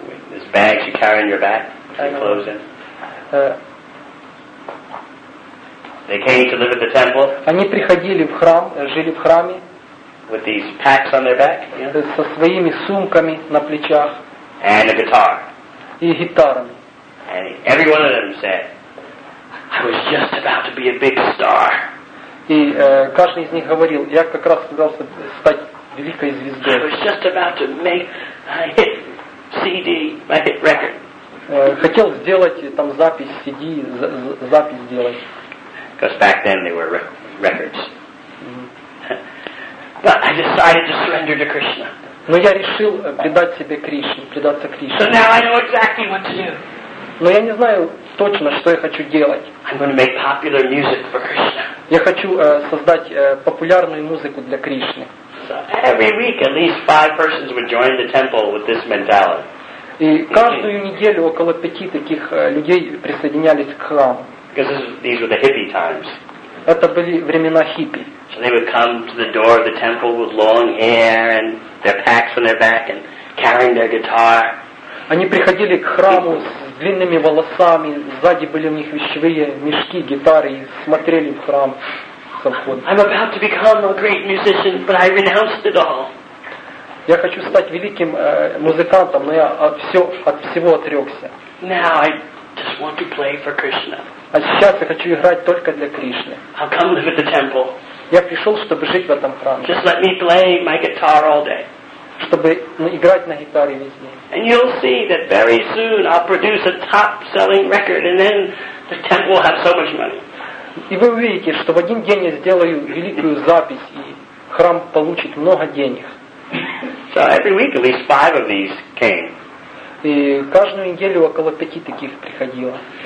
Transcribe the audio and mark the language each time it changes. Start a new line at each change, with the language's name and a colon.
English: These bags you carry on your back, your clothes in. They came to live at the temple.
Russian: Они приходили в храм, жили в храме.
English: With these packs on their back.
Russian: Со своими сумками на плечах.
English: And a guitar.
Russian: И гитарами.
English: And every one of them said, "I was just about to be a big star."
Russian: И каждый из них говорил, я как раз собирался стать великой звездой.
English: I was just about to make my hit CD, my hit record.
Russian: Хотел сделать там запись CD, запись сделать.
English: Because back then they were records. But I decided to surrender to Krishna.
Russian: Но я решил предать себе Кришне, предаться Кришне.
English: So now I know exactly what to do.
Russian: Но я не знаю точно, что я хочу делать.
English: I'm going to make popular music for Krishna.
Russian: Я хочу создать популярную музыку для Кришны.
English: So every week at least five persons would join the temple with this mentality.
Russian: И каждую неделю около пяти таких людей присоединялись к храму.
English: Because these were the hippie times.
Russian: Это были времена хиппи.
English: So they would come to the door of the temple with long hair and their packs on their back and carrying their guitar.
Russian: Они приходили к храму с длинными волосами, сзади были у них вещевые мешки, гитары, и смотрели в храм со входа.
English: I'm about to become a great musician, but I renounced it all.
Russian: Я хочу стать великим музыкантом, но я от всего отрекся.
English: Now I just want to play for Krishna.
Russian: А сейчас я хочу играть только для Кришны.
English: I'll come live at the temple.
Russian: Я пришел, чтобы жить в этом храме.
English: Just let me play my guitar all day.
Russian: Чтобы играть на гитаре весь день.
English: And you'll see that very soon I'll produce a top-selling record, and then the temple will have so much money.
Russian: И вы увидите, что в один день я сделаю великую запись, и храм получит много денег.
English: So every week at least five of these came.
Russian: И каждую неделю около пяти таких приходило.